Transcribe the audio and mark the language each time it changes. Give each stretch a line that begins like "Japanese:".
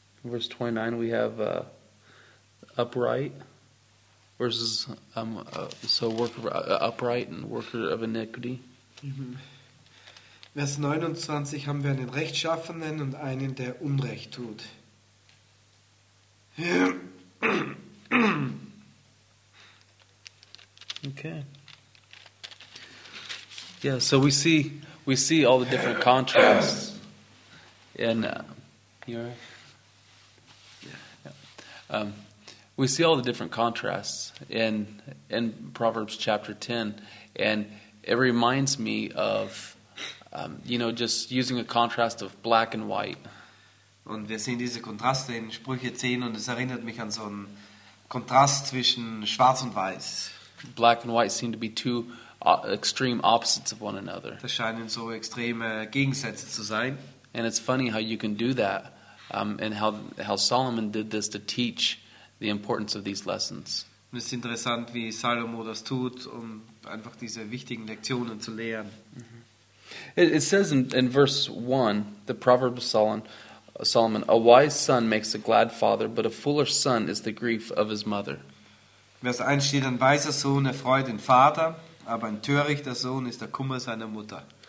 English: Verse 29, we have upright versus so worker upright and worker of iniquity. Mm-hmm.
German: Vers 29 haben wir einen Rechtschaffenen und einen, der Unrecht tut. Okay.
English: Yeah, so we see all the different contrasts in your. We see all the different contrasts in Proverbs chapter 10, and it reminds me of, you know, just using a contrast of black and white.
German: Und wir sehen diese Kontraste in Sprüche 10, und es erinnert mich an so einen Kontrast zwischen Schwarz und Weiß.
English: Black and white seem to be two extreme opposites of one another.
German: Das scheinen so extreme Gegensätze zu sein.
English: And it's funny how you can do that. And how Solomon did this to teach the importance of these lessons.
German: Es ist interessant, wie Salomo das tut, um einfach diese wichtigen Lektionen zu lehren.
English: It says in verse 1, the proverb of Solomon, a wise son makes a glad father, but a foolish son is the grief of his mother.
German: Vers 1 steht, ein weiser Sohn erfreut den Vater, aber ein törichter Sohn ist der Kummer seiner Mutter.